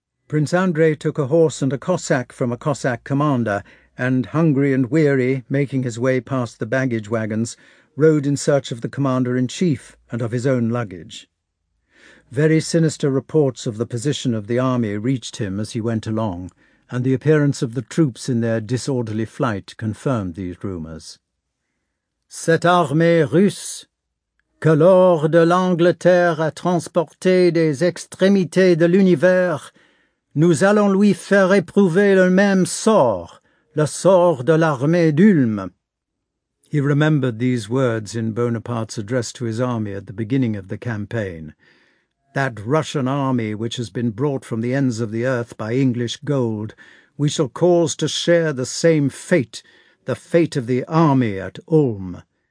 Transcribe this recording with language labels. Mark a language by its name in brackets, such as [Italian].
[English] Prince Andrei took a horse and a Cossack from a Cossack commander, and, hungry and weary, making his way past the baggage wagons, rode in search of the commander-in-chief and of his own luggage. Very sinister reports of the position of the army reached him as he went along, and the appearance of the troops in their disorderly flight confirmed these rumours. [French] Cette armée russe, que l'or de l'Angleterre a transporté des extrémités de l'univers, nous allons lui faire éprouver le même sort, le sort de l'armée d'Ulm. [English] He remembered these words in Bonaparte's address to his army at the beginning of the campaign. That Russian army which has been brought from the ends of the earth by English gold, we shall cause to share the same fate, the fate of the army at Ulm.